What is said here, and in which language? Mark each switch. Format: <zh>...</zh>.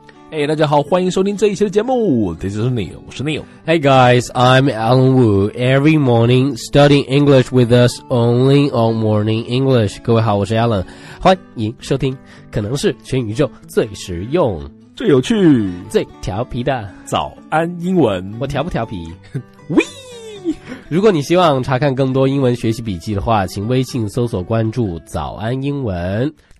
<zh>Hey, 大家好，欢迎收听这一期的节目。</zh> <en>This is Neil,</en> <zh>我是 Neil.</zh> <en>Hey guys, I'm Alan Wu. Every morning, studying English with us only on Morning English.</en> <zh>各位好，我是 Alan. 欢迎收听，可能是全宇宙最实用、最有趣、最调皮的早安英文。我调不调皮？喂！如果你希望查看更多英文学习笔记的话，请微信搜索关注早安英文。</zh>